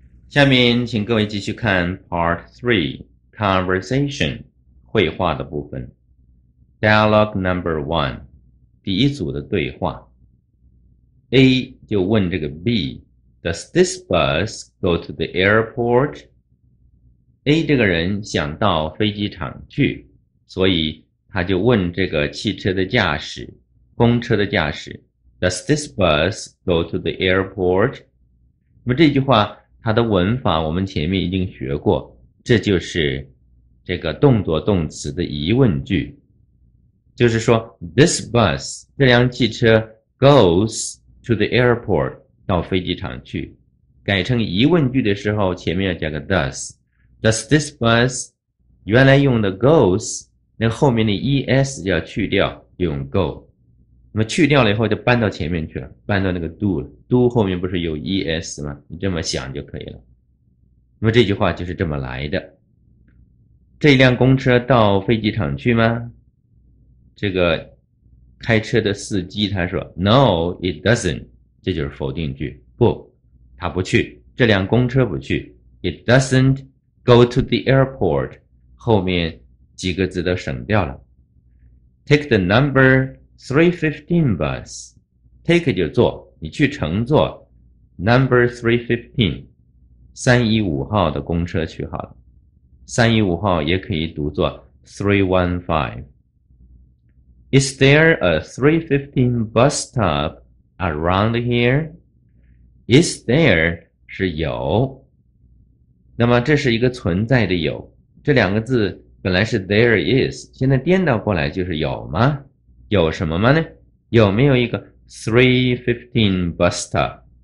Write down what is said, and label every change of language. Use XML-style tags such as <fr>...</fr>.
<zh>下面请各位继续看 Part 3 Conversation 绘画的部分。</zh> <en>Dialogue number 1,</en> <zh>第一组的对话。 A 就问这个 B,</zh> <en>Does this bus go to the airport?</en> <zh>A 这个人想到飞机场去，所以他就问这个汽车的驾驶，公车的驾驶，</zh> <en>Does this bus go to the airport?</en> <zh>那么这句话它的文法我们前面已经学过，这就是这个动作动词的疑问句。就是说</zh> <en>this bus</en> <zh>这辆汽车</zh> <en>goes to the airport</en> <zh>到飞机场去，改成疑问句的时候前面要加个</zh> <en>does this bus</en> <zh>原来用的 goes 那后面的 es 要去掉，就用 go， 那么去掉了以后就搬到前面去了，搬到那个 do 了， do 后面不是有 es 吗，你这么想就可以了。那么这句话就是这么来的。这辆公车到飞机场去吗？这个开车的司机他说</zh> <en>No, it doesn't，</en> <zh>这就是否定句，不，他不去，这辆公车不去。</zh> <en>It doesn't go to the airport，</en> <zh>后面几个字都省掉了。</zh> <en>Take the number 315 bus，</en> <zh>Take 就坐，你去乘坐 Number 315 315号的公车去好了。 315号也可以读作 315。</zh> <en>Is there a 315 bus stop around here?</en> <zh>Is there 是有，那么这是一个存在的有，这两个字本来是</zh> <en>there is，</en> <zh>现在颠倒过来就是有吗？有什么吗呢？有没有一个</zh> <en>315 bus stop？</en>